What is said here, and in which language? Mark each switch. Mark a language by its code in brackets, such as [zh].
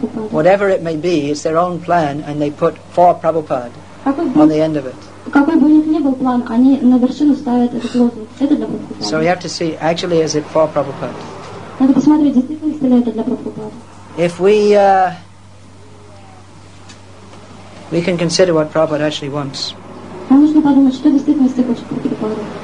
[en] Whatever it may be, it's their own plan, and they put for Prabhupada on the end of it. [ru] Какой бы у них ни был план, они на вершину ставят этот лозунг. Это для Прабхупады. [en] So you have to see, actually, is it for Prabhupada? [ru] Надо посмотреть, действительно ли это для Прабхупады. [en] If we can consider what Prabhupada actually wants. [ru] Нам нужно подумать, что действительно хочет Прабхупада.